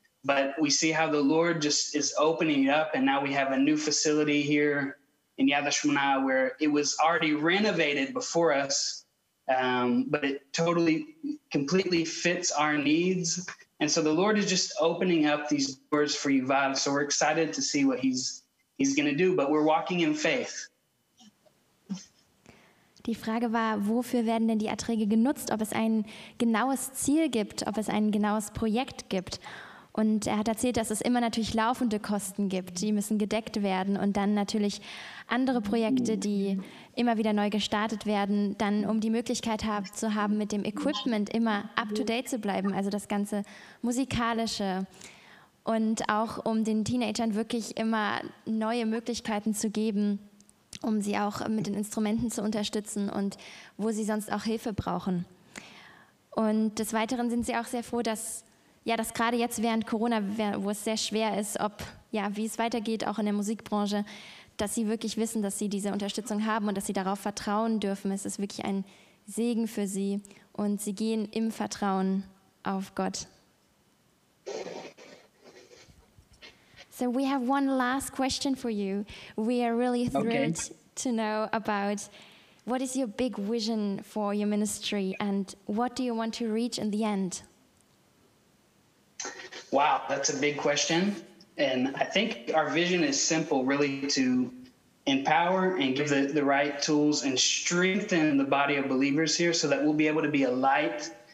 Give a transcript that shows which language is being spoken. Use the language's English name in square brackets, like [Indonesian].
[English] But we see how the Lord just is opening it up. And now we have a new facility here in Yad HaShemona where it was already renovated before us, but it totally, completely fits our needs. And so the Lord is just opening up these doors for Yuval. So we're excited to see what he's going to do, but we're walking in faith. [German] Die Frage war, wofür werden denn die Erträge genutzt? Ob es ein genaues Ziel gibt, ob es ein genaues Projekt gibt? Und er hat erzählt, dass es immer natürlich laufende Kosten gibt, die müssen gedeckt werden und dann natürlich andere Projekte, die immer wieder neu gestartet werden, dann um die Möglichkeit zu haben, mit dem Equipment immer up-to-date zu bleiben, also das ganze Musikalische und auch um den Teenagern wirklich immer neue Möglichkeiten zu geben, um sie auch mit den Instrumenten zu unterstützen und wo sie sonst auch Hilfe brauchen. Und des Weiteren sind sie auch sehr froh, dass ja, dass gerade jetzt während Corona, wo es sehr schwer ist, ob ja, wie es weitergeht, auch in der Musikbranche, dass sie wirklich wissen, dass sie diese Unterstützung haben und dass sie darauf vertrauen dürfen. Es ist wirklich ein Segen für sie und sie gehen im Vertrauen auf Gott. [English] So we have one last question for you. We are really thrilled to know about what is your big vision for your ministry and what do you want to reach in the end? Wow, that's a big question. And I think our vision is simple, really to empower and give the right tools and strengthen the body of believers here so that we'll be able to be a light.